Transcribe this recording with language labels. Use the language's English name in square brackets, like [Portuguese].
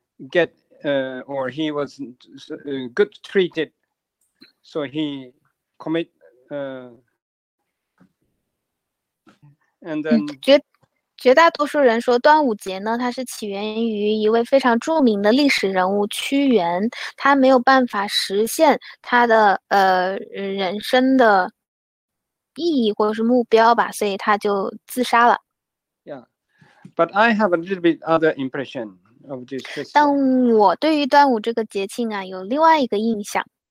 [English] get or he was good treated, so he commit and then [Chinese] 绝大多数人说端午节呢，它是起源于一位非常著名的历史人物屈原，他没有办法实现他的人生的意义或者是目标吧，所以他就自杀了。 [English] Yeah, but I have a little bit other impression of this festival. [Chinese] 但我对于端午这个节庆啊，有另外一个印象。